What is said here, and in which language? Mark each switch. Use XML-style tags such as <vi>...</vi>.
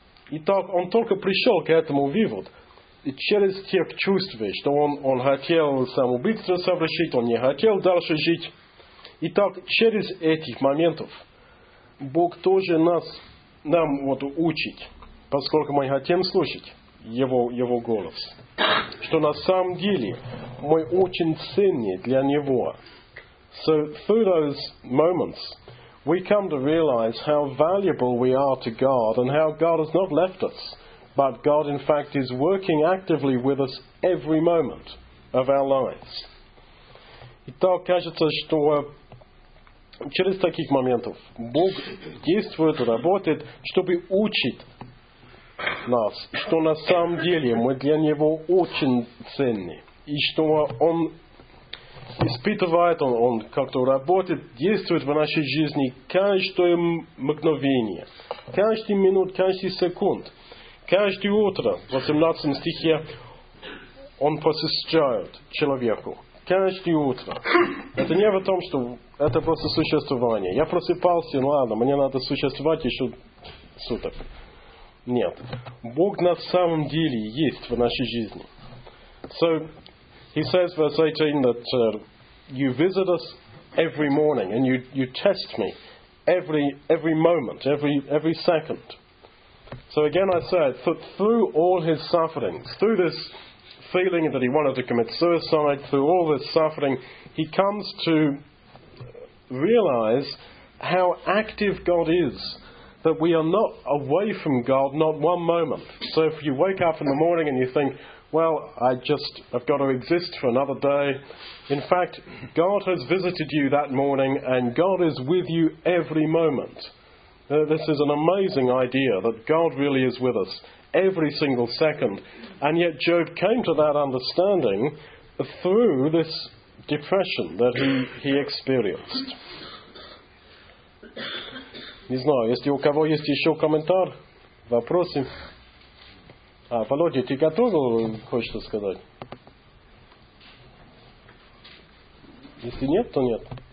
<ru>Итак, он только пришел к этому выводу. И через те чувства, что он хотел самоубийство совершить, он не хотел дальше жить. Итак, через этих моментов Бог тоже нам учит, поскольку мы хотим слушать. его голос. Что на самом деле мы очень ценны для него.</ru> <en>So through those moments, we come to realize how valuable we are to God and how God has not left us, but God in fact is working actively with us every moment of our lives.</en> <ru>Итак, кажется, что через таких моментов Бог действует и работает, чтобы учить нас, что на самом деле мы для Него очень ценны, и что Он испытывает, Он как-то работает, действует в нашей жизни каждое мгновение, каждый минут, каждый секунд, каждое утро, в 18 стихе, Он посещает человеку. Каждое утро. Это не в том, что это просто существование. Я просыпался, ну ладно, мне надо существовать еще суток. Нет. Бог на самом деле есть в нашей жизни.</ru> <en>So, he says verse 18 that you visit us every morning and you test me every moment, every second. So again I say, through all his sufferings, through this feeling that he wanted to commit suicide, through all this suffering, he comes to realize how active God is, that we are not away from God, not one moment. So if you wake up in the morning and you think, well, I've got to exist for another day. In fact, God has visited you that morning and God is with you every moment. This is an amazing idea that God really is with us every single second. And yet Job came to that understanding through this depression that he experienced.</en> <ru>Не знаю, если у кого есть еще комментарий, вопросы. А, Володя, ты готов кое-что сказать? Если нет, то нет.</ru>